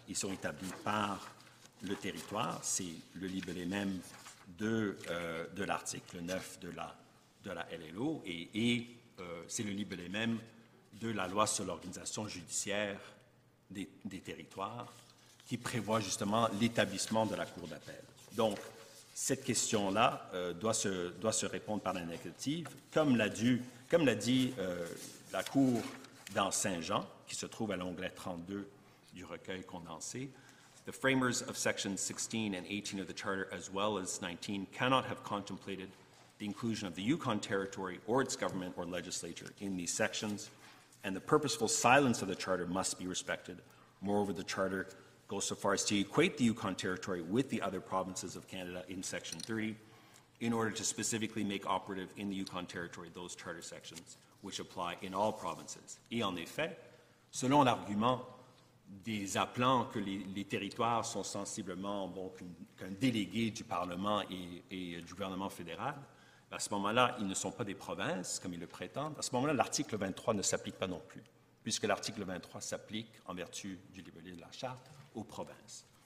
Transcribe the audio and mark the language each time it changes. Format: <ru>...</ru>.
<fr>Ils sont établis par le territoire. C'est le libellé même de l'article 9 de la LLO et c'est le libellé même de la loi sur l'organisation judiciaire des territoires qui prévoit justement l'établissement de la Cour d'appel. Donc, cette question-là doit se répondre par la négative, comme l'a dit la Cour dans Saint-Jean, qui se trouve à l'onglet 32 du recueil condensé.</fr> <en>The framers of sections 16 and 18 of the Charter, as well as 19, cannot have contemplated the inclusion of the Yukon Territory or its government or legislature in these sections, and the purposeful silence of the Charter must be respected. Moreover, the Charter goes so far as to equate the Yukon Territory with the other provinces of Canada in section 30, in order to specifically make operative in the Yukon Territory those Charter sections which apply in all provinces.</en> <fr>Et en effet, selon l'argument des appelants que les territoires sont sensiblement qu'un délégué du Parlement et du gouvernement fédéral, à ce moment-là, ils ne sont pas des provinces, comme ils le prétendent. À ce moment-là, l'article 23 ne s'applique pas non plus, puisque l'article 23 s'applique, en vertu du libellé de la Charte, aux provinces.</fr>